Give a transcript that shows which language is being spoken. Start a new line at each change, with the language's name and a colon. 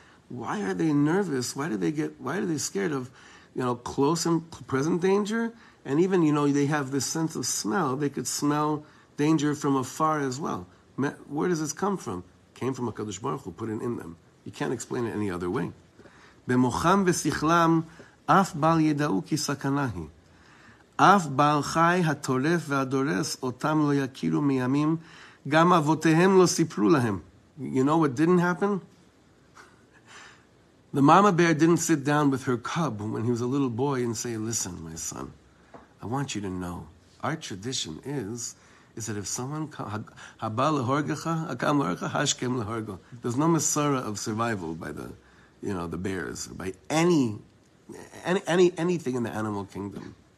English: Why are they nervous? Why are they scared of, you know, close and present danger? And even, you know, they have this sense of smell. They could smell danger from afar as well. Where does this come from? Came from HaKadosh Baruch Hu, put it in them. You can't explain it any other way.
Hebrew: במוחם ושכלם, אף בל ידעו כי סכנה היא. אף בעל חי הטולף והדורס אותם לא יכירו מימים, גם אבותיהם לא סיפרו להם.
English: You know what didn't happen? The mama bear didn't sit down with her cub when he was a little boy and say, listen, my son, I want you to know, our tradition is that if someone
Hebrew: haba lehorgecha, akam lehorgecha, hashkem lehorgo.
English: There's no masara of survival by the, you know, the bears, or by anything in the animal kingdom.